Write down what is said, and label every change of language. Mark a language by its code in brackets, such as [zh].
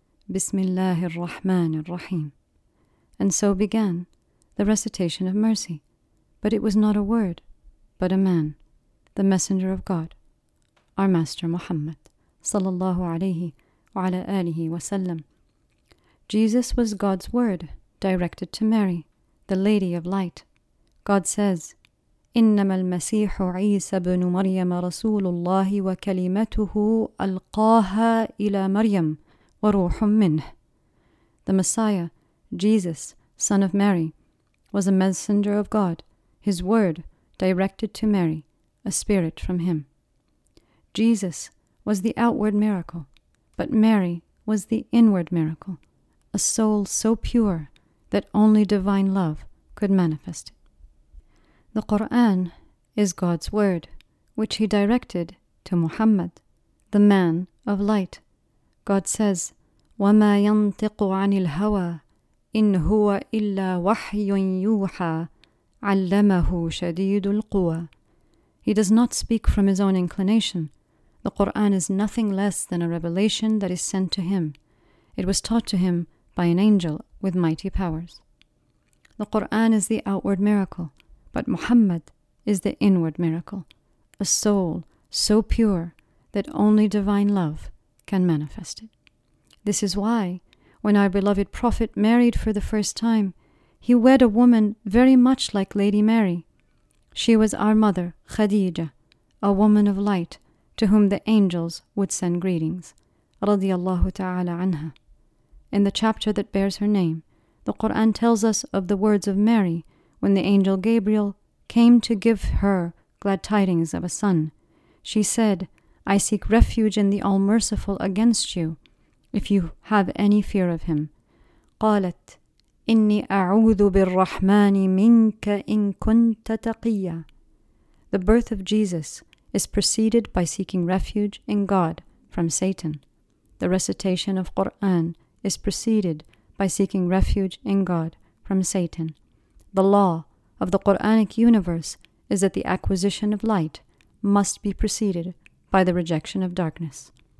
[en] Bismillahir Rahmanir Rahim. And so began the recitation of mercy, but it was not a word, but a man, the messenger of God, our master Muhammad, sallallahu alayhi wa ala alihi wa sallam. Jesus was God's word directed to Mary, the Lady of Light. God says, [ar] إنما المسيح عيسى بن مريم رسول الله وكلمته ألقاها إلى مريم وروح منه. [en] The Messiah, Jesus, son of Mary, was a messenger of God, his word directed to Mary, a spirit from him. Jesus was the outward miracle, but Mary was the inward miracle, a soul so pure that only divine love could manifest. The Quran is God's word, which he directed to Muhammad, the man of light. God says, [ar] وَمَا يَنْطِقُ عَنِ الْهَوَىٰ إِنْ هُوَ إِلَّا وَحْيٌ يُوحَىٰ عَلَّمَهُ شَدِيدُ الْقُوَىٰ. [en] He does not speak from his own inclination. The Quran is nothing less than a revelation that is sent to him. It was taught to him by an angel with mighty powers. The Quran is the outward miracle, but Muhammad is the inward miracle, a soul so pure that only divine love can manifest it. This is why, when our beloved Prophet married for the first time, he wed a woman very much like Lady Mary. She was our mother, Khadija, a woman of light to whom the angels would send greetings, radiallahu ta'ala anha. In the chapter that bears her name, the Quran tells us of the words of Mary when the angel Gabriel came to give her glad tidings of a son. She said, I seek refuge in the All-Merciful against you, if you have any fear of him. [ar] قالت, إني أعوذ بالرحمن منك إن كنت تقيا. [en] The birth of Jesus is preceded by seeking refuge in God from Satan. The recitation of Quran is preceded by seeking refuge in God from Satan. The law of the Quranic universe is that the acquisition of light must be preceded by the rejection of darkness.